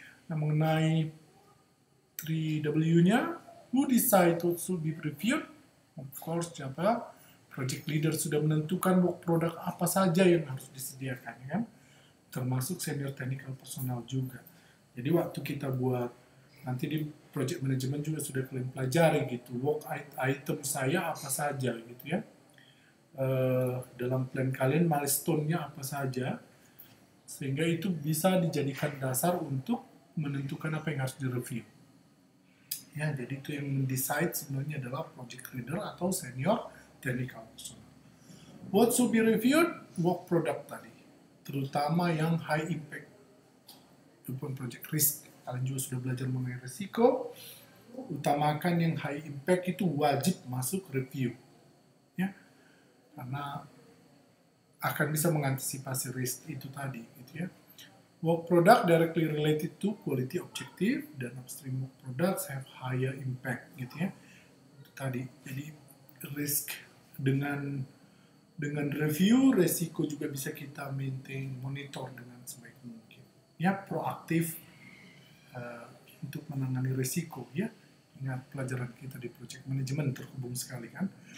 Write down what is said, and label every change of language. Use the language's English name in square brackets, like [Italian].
[Indonesian] Nah, mengenai 3W-nya, [English] who decide to be reviewed? Of course, [Indonesian] siapa? Project leader sudah menentukan produk apa saja yang harus disediakan, ya kan? Termasuk senior technical personnel juga. Jadi waktu kita buat, nanti di project management juga sudah kalian pelajari gitu, work item saya apa saja gitu ya. Dalam plan kalian, milestone-nya apa saja. Sehingga itu bisa dijadikan dasar untuk menentukan apa yang harus direview. Ya, jadi itu yang mendecide sebenarnya adalah project leader atau senior technical personnel. [English] What should be reviewed? [Indonesian] Work product tadi. Terutama yang [English] high impact. [Indonesian] Walaupun project risk. Kalian juga sudah belajar mengenai risiko. Utamakan yang [English] high impact [Indonesian] itu wajib masuk review. Ya. Karena akan bisa mengantisipasi risk itu tadi. Gitu ya. [English] Work product directly related to quality objective [Indonesian] dan [English] upstream work products have higher impact. [Indonesian] Gitu ya. Tadi. Jadi risk dengan review, risiko juga bisa kita maintain, monitor dengan sebaik mungkin. Ya, proaktif untuk menangani risiko. Ya. Ingat pelajaran kita di project management terhubung sekali kan.